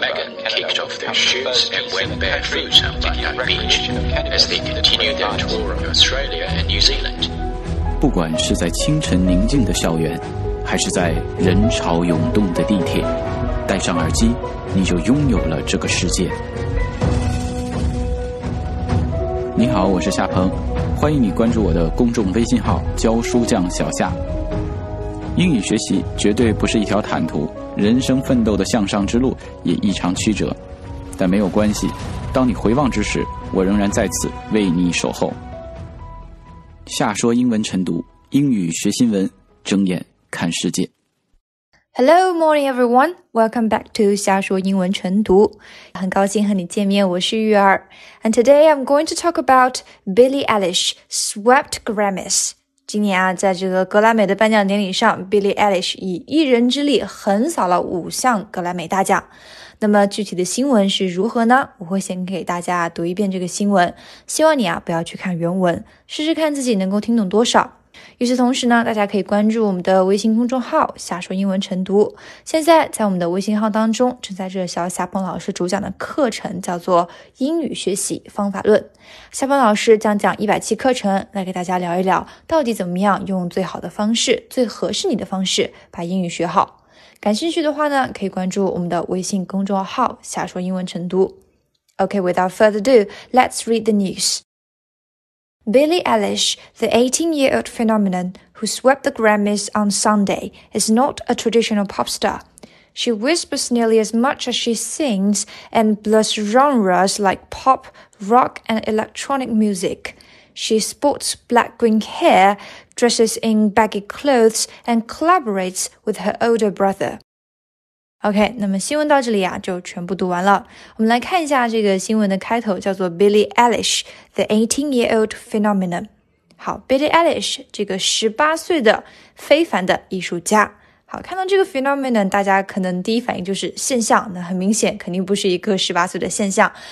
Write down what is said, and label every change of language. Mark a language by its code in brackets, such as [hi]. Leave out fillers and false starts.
[en] Megan kicked off their shoots and went barefoot on Bondi Beach as they continued their tour of Australia and New Zealand. [zh] 不管是在清晨宁静的校园，还是在人潮涌动的地铁，戴上耳机，你就拥有了这个世界。你好，我是夏鹏，欢迎你关注我的公众微信号教书匠小夏。英语学习绝对不是一条坦途，人生奋斗的向上之路也异常曲折，但没有关系，当你回望之时，我仍然在此为你守候。夏说英文晨读，英语学新闻，睁眼看世界。 [en] Hello, morning, everyone. Welcome back to 瞎说英文晨读。 [zh] 很高兴和你见面，我是玉儿。 [en] And today I'm going to talk about Billie Eilish swept Grammys. [zh] 今年啊，在这个格莱美的颁奖典礼上 ，Billie Eilish 以一人之力横扫了五项格莱美大奖。那么具体的新闻是如何呢？我会先给大家读一遍这个新闻，希望你啊不要去看原文，试试看自己能够听懂多少。与此同时呢，大家可以关注我们的微信公众号瞎说英文晨读。现在在我们的微信号当中正在热销夏鹏老师主讲的课程，叫做英语学习方法论。夏鹏老师将讲107课程，来给大家聊一聊到底怎么样用最好的方式，最合适你的方式把英语学好。感兴趣的话呢，可以关注我们的微信公众号瞎说英文晨读。 [en] OK, without further ado, let's read the news. Billie Eilish, the 18-year-old phenomenon who swept the Grammys on Sunday, is not a traditional pop star. She whispers nearly as much as she sings and blurs genres like pop, rock, and electronic music. She sports black-green hair, dresses in baggy clothes, and collaborates with her older brother. [zh] OK, 那么新闻到这里啊就全部读完了。我们来看一下这个新闻的开头，叫做 Billie Eilish, [en] the 18-year-old phenomenon. [zh] 好， Billie Eilish, 这个18岁的非凡的艺术家。好，看到这个 phenomenon, 大家可能第一反应就是现象，那很明显肯定不是一个18岁的现象。